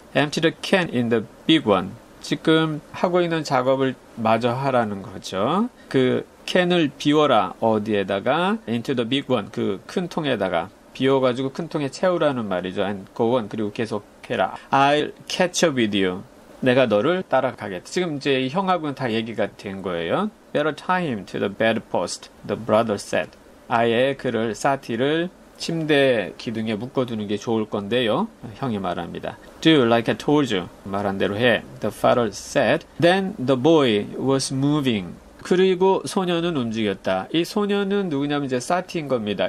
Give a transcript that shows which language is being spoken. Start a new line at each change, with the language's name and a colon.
English: Empty the can in the big one.
Korean: 지금 하고 있는 작업을 마저 하라는 거죠. 그 캔을 비워라. 어디에다가?
English: Into the big one.
Korean: 그 큰 통에다가. 비워가지고 큰 통에 채우라는 말이죠.
English: And go on.
Korean: 그리고 계속해라.
English: I'll catch up with you.
Korean: 내가 너를 따라가겠다. 지금 이제 형하고는 다 얘기가 된 거예요.
English: Better tie him to the bedpost, the brother said.
Korean: 아예 그를, 사티를 침대 기둥에 묶어두는 게 좋을 건데요. 형이 말합니다.
English: Do like I told you.
Korean: 말한 대로 해.
English: The father said. Then the boy was moving.
Korean: 그리고 소년은 움직였다. 이 소년은 누구냐면 이제 사티인 겁니다.